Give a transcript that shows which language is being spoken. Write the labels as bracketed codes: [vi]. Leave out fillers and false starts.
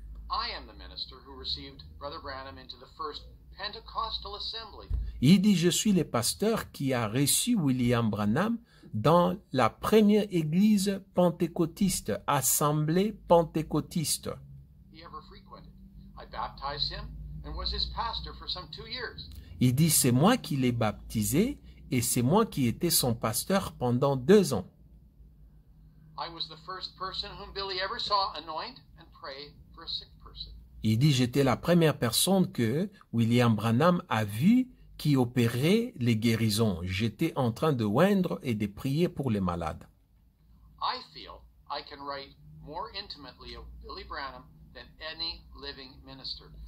[en] I am the minister who received Brother Branham into the first Pentecostal assembly. [fr] Il dit, je suis le pasteur qui a reçu William Branham dans la première église pentecôtiste, assemblée pentecôtiste. [en] He ever frequented. I baptized him and was his pastor for some 2 years. [fr] Il dit, c'est moi qui l'ai baptisé et c'est moi qui étais son pasteur pendant 2 ans. [en] I was the first person whom Billy ever saw anoint and pray for a sick person. [fr] Il dit, j'étais la première personne que William Branham a vue qui opérait les guérisons. J'étais en train de oindre et de prier pour les malades. [en] I feel I can write more intimately of Billy Branham than any living minister.